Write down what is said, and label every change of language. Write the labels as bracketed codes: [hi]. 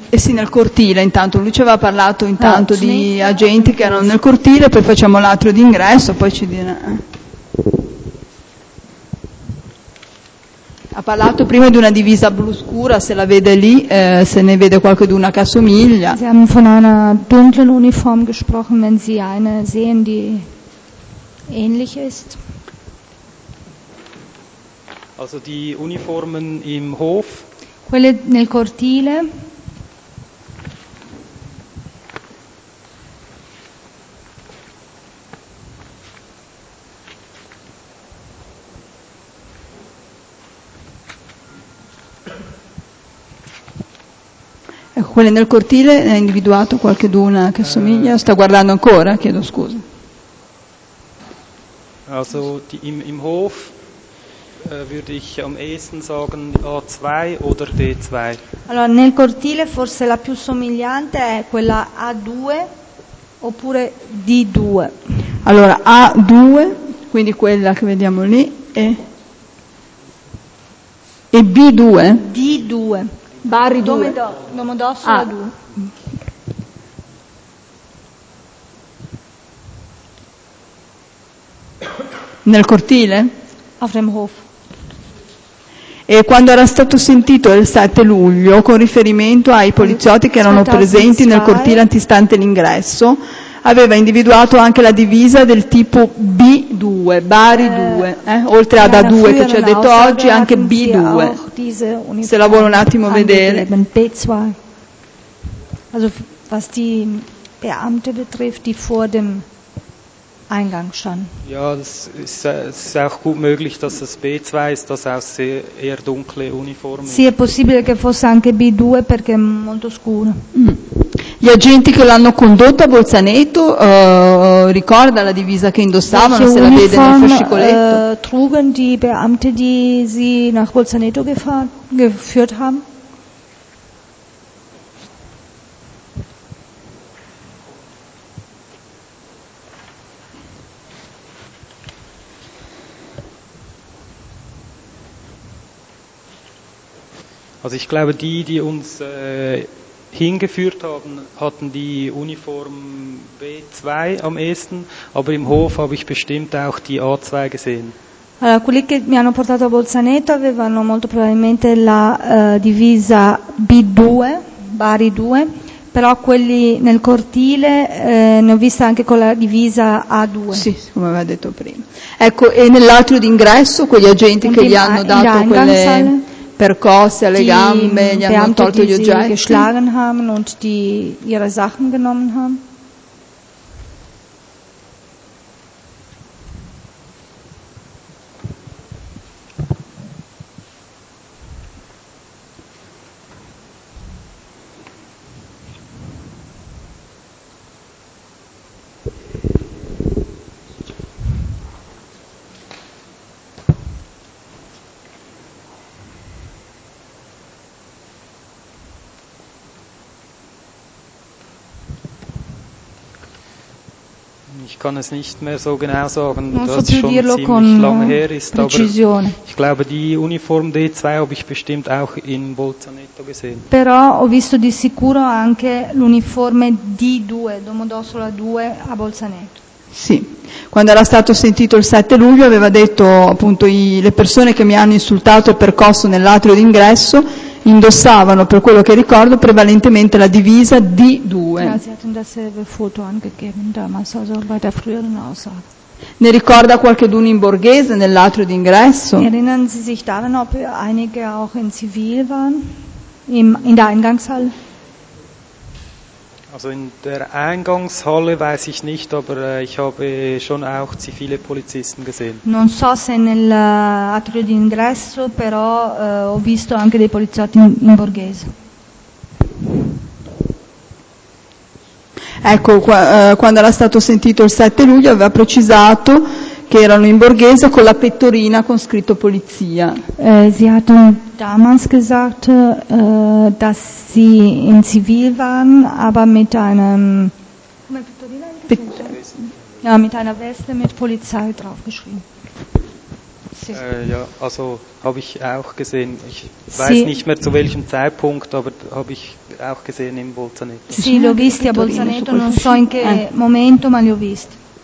[it] Eh sì, nel cortile intanto, lui ci aveva parlato intanto di agenti che erano nel cortile, poi facciamo l'atrio d'ingresso, poi ci dirà. Ha parlato prima di una divisa blu scura, se la vede lì, se ne vede qualche d'una che assomiglia. [de] Sie haben von einer dunklen Uniform gesprochen, wenn Sie eine sehen, die ähnlich ist. Also die Uniformen im Hof. [it] Quelle nel cortile. Ecco, quelle nel cortile, ha individuato qualcheduna che somiglia? Sta guardando ancora, chiedo scusa. [de] Also die, im Hof. Würde ich am ehesten sagen A2 oder D2? [it] Allora, nel cortile forse la più somigliante è quella A2 oppure D2. Allora, A2, quindi quella che vediamo lì, e B2? D2. Barri 2. Domodossola A2. Nel cortile? [de] Auf dem Hof. [it] E quando era stato sentito il 7 luglio, con riferimento ai poliziotti che erano presenti nel cortile antistante l'ingresso, aveva individuato anche la divisa del tipo B2, Bari 2, oltre ad A2 che ci ha detto oggi, anche B2. Se la vuole un attimo vedere. [de] Also, was die Beamte betrifft, die vor dem Eingang schon. Ja, es ist auch gut möglich, dass das B2 ist, das auch sehr, eher dunkle Uniform ist. [it] Sì, è possibile che fosse anche B2 perché è molto scuro. Gli agenti che l'hanno condotto a Bolzaneto ricorda la divisa che indossavano, se la vede nel fascicoletto. [de] Trugen die Beamte, die sie nach Bolzaneto geführt haben? Also ich glaube, die uns hingeführt haben, hatten die Uniform B2 am ehesten, aber im Hof habe ich bestimmt auch die A2 gesehen. [it] Allora, quelli che mi hanno portato a Bolzaneto avevano molto probabilmente la divisa B2, Bari 2, però quelli nel cortile ne ho vista anche con la divisa A2. Sì, come aveva detto prima. Ecco, e nell'atrio d'ingresso quegli agenti che gli hanno dato quelle percosse alle gambe, gli hanno tolto gli oggetti. [de] Die geschlagen haben und die ihre Sachen genommen haben. Ich kann es nicht mehr so genau sagen, das schon ziemlich lange her ist, [it] precisione. [de] Aber ich glaube, die Uniform D2 habe ich bestimmt auch in Bolzaneto gesehen. [it] Però ho visto di sicuro anche l'uniforme D2, Domodossola 2 a Bolzaneto. Sì, quando era stato sentito il 7 luglio aveva detto appunto le persone che mi hanno insultato e percosso nell'atrio d'ingresso indossavano, per quello che ricordo, prevalentemente la divisa D2. [de] Ja, sie hatten dasselbe Foto angegeben damals, also bei der früheren Aussage. [it] Ne ricorda qualcheduno in borghese nell'atrio d'ingresso? [de] Erinnern Sie sich daran, ob einige auch in Zivil waren, in der Eingangshalle? Also in der Eingangshalle weiß ich nicht, aber ich habe schon auch zivile Polizisten gesehen. [it] Non so se nell'atrio d'ingresso, però ho visto anche dei poliziotti in borghese. Ecco, quando era stato sentito il 7 luglio aveva precisato che erano in borghese con la pettorina con scritto polizia. [de] Sie hatten damals gesagt, dass sie in Zivil waren, aber mit einem mit einer Weste mit Polizei draufgeschrieben. Ja, also habe ich auch gesehen. Ich weiß sie nicht mehr zu welchem Zeitpunkt, aber habe ich auch gesehen in Bolzaneto. [it] Sì, l'ho visti a Bolzaneto, non so in che momento, ma li ho visti.